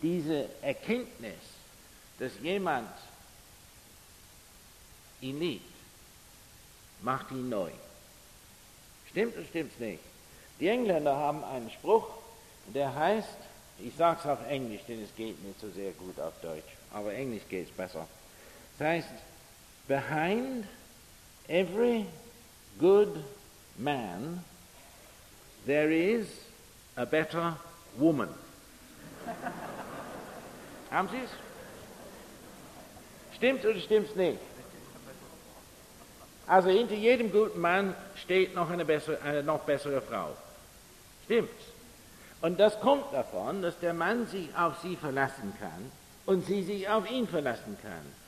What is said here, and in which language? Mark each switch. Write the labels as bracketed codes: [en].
[de] Diese Erkenntnis, dass jemand ihn liebt, macht ihn neu. Stimmt oder stimmt's nicht? Die Engländer haben einen Spruch, der heißt, ich sage es auf Englisch, denn es geht nicht so sehr gut auf Deutsch, aber Englisch geht es besser. Das heißt, [en] behind every good man, there is a better woman. [de] Haben Sie es? Stimmt oder stimmt's nicht? Also hinter jedem guten Mann steht noch eine noch bessere Frau. Stimmt's? Und das kommt davon, dass der Mann sich auf sie verlassen kann und sie sich auf ihn verlassen kann.